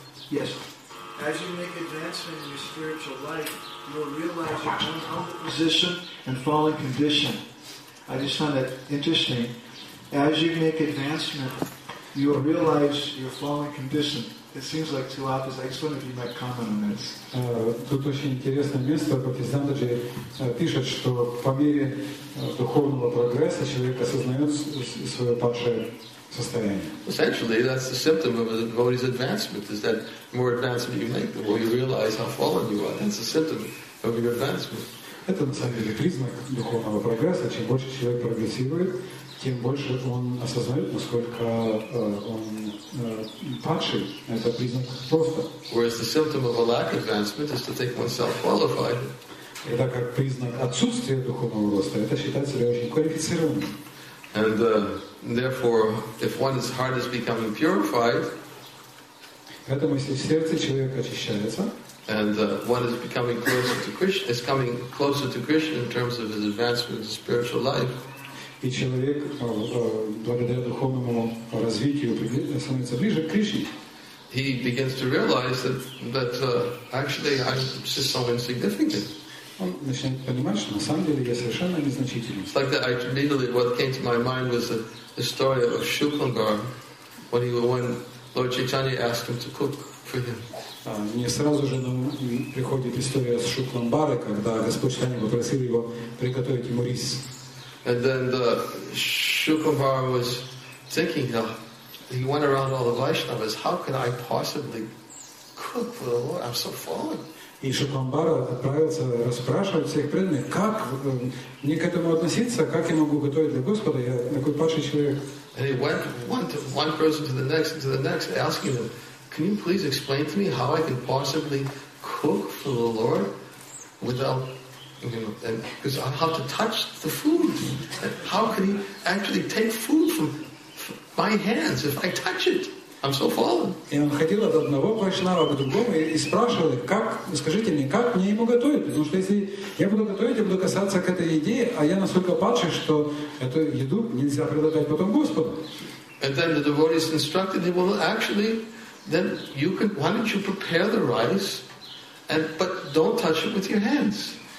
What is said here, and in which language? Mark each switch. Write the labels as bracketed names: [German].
[English] Yes. As you make advancement in your spiritual life, you will realize your humble position and fallen condition. I just found that interesting. As you make advancement, you will realize your fallen condition. It seems like two opposites. I just wonder if you might comment on this. [Russian] Тут очень интересное место. Бхактисиддханта пишет, что по мере духовного прогресса человек осознает свое падшее состояние. [English] Essentially, that's the symptom of a devotee's advancement, is that the more advancement you make, the more you realize how fallen you are. That's the symptom of your advancement. [Russian] Это на самом деле признак духовного прогресса. Чем больше человек прогрессирует, тем больше он осознает, насколько он падший. Это признак роста. [English] Whereas the symptom of a lack of advancement is to think oneself qualified. [Russian] Это как признак отсутствия духовного роста. Это считать себя очень квалифицированным. [English] And therefore, if one's heart is becoming purified, [Russian] поэтому если сердце человека очищается. [English] And one is becoming closer to Krishna, is coming closer to Krishna in terms of his advancement in spiritual life. [Russian] И человек благодаря духовному развитию становится ближе к Кришне. [English] He begins to realize that actually I'm just so insignificant. [Russian] Он начинает понимать, что на самом деле я совершенно незначительный. [English] It's like that. Immediately, what came to my mind was the story of Shukangar when Lord Chaitanya asked him to cook for him. [Russian] Мне сразу же приходит история с Шукламбарой, когда Господь Чайтанья попросил его приготовить ему рис. [English] And then the Shukambara was thinking, he went around all the Vaishnavas, how can I possibly cook for the Lord? I'm so fallen. И Шукламбара отправился расспрашивать всех преданных, как мне к этому относиться, как я могу готовить для Господа, я такой падший человек. And he went one person to the next, asking them, can you please explain to me how I can possibly cook for the Lord without, and because I have to touch the food. And how can he actually take food from my hands if I touch it? I'm so fallen. [Russian] И он ходил от одного вайшнава к другому и спрашивал, как, скажите мне, как мне ему готовить? Потому что если я буду готовить, я буду касаться к этой еде, а я настолько падший, что эту еду нельзя предлагать потом Господу. [English] And then the devotee is instructed, he will actually then you can, why don't you prepare the rice, and but don't touch it with your hands.